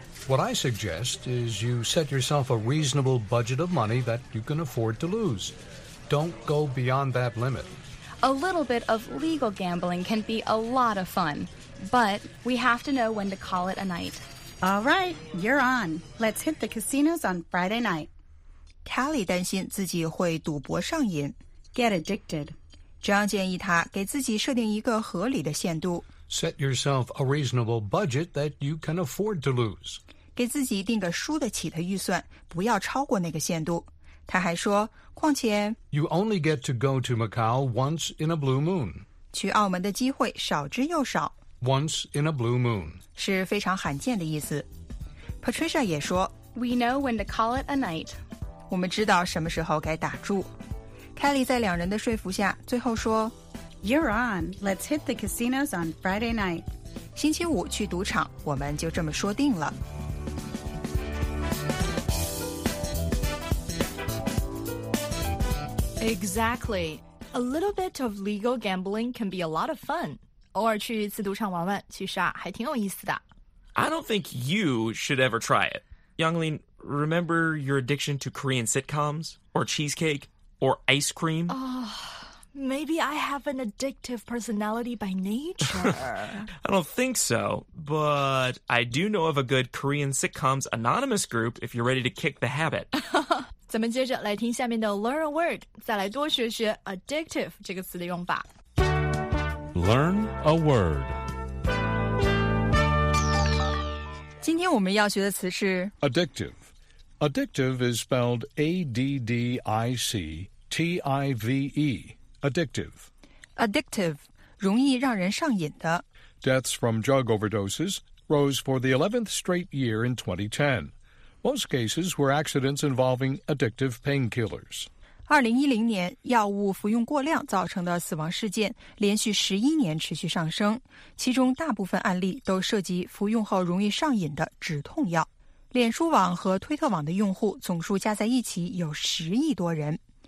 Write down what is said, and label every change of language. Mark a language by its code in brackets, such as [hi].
[en] What I suggest is you set yourself a reasonable budget of money that you can afford to lose. Don't go beyond that limit. A little bit of legal gambling can be a lot of fun, but we have to know when to call it a night. All right, you're on. Let's hit the casinos on Friday night. [zh] Kelly 担心自己会赌博上瘾。 [en] Get addicted. [zh] John 建议他给自己设定一个合理的限度。 [en] Set yourself a reasonable budget that you can afford to lose. [zh] 给自己定个输得起的预算，不要超过那个限度。他还说，况且 [en] You only get to go to Macau once in a blue moon. [zh] 去澳门的机会少之又少。 [en] Once in a blue moon. [zh] 是非常罕见的意思。 Patricia 也说 [en] We know when to call it a night. [zh] 我们知道什么时候该打住。Kelly 在两人的说服下最后说 [en] You're on. Let's hit the casinos on Friday night. [zh] 星期五去赌场我们就这么说定了。 [en] Exactly. A little bit of legal gambling can be a lot of fun. [zh] 偶尔去一次赌场玩玩，其实啊，还挺有意思的。 [en] I don't think you should ever try it. Yanglin, remember your addiction to Korean sitcoms? Or cheesecake? Or ice cream? Oh, maybe I have an addictive personality by nature. I don't think so, but I do know of a good Korean sitcoms anonymous group if you're ready to kick the habit. [zh] 咱们接着来听下面的 [en] Learn a Word, [zh] 再来多学学 addictive 这个词的用法。 [en] Learn a word. [zh] 今天我们要学的词是 [en] addictive. Addictive is spelled A-D-D-I-C-T-I-V-E. Addictive. [zh] Addictive, 容易让人上瘾的。 [en] Deaths from drug overdoses rose for the 11th straight year in 2010. Most cases were accidents involving addictive painkillers. [zh] 2010年药物服用过量造成的死亡事件连续11年持续上升，其中大部分案例都涉及服用后容易上瘾的止痛药。脸书网和推特网的用户总数加在一起有10亿多人。